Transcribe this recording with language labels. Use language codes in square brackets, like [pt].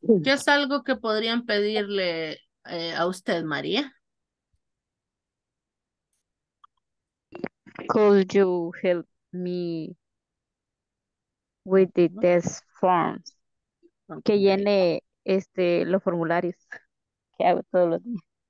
[es] ¿Qué es algo que podrían pedirle a usted, María? [en] Could you help me with the test forms? Okay. [es] Que llene los formularios que hago todos los días.